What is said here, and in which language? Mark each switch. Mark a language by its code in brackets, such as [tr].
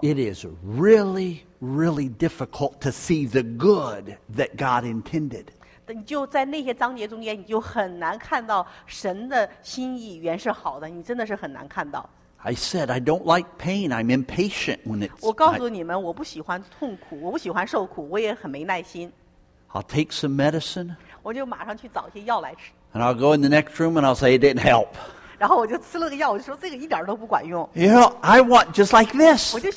[en] It is really, really difficult to see the good that God intended. [zh] 你就在那些章节中间，你就很难看到神的心意原是好的，你真的是很难看到。 [en] I said, I don't like pain. I'm impatient when it's [zh] 我告诉你们, 我不喜欢痛苦，我不喜欢受苦，我也很没耐心。 [en] I'll take some medicine. [zh] 我就马上去找些药来吃。 [en] And I'll go in the next room and I'll say it didn't help. [zh] 然后我就吃了个药，我就说这个一点都不管用。 [en] You know, I want just like this.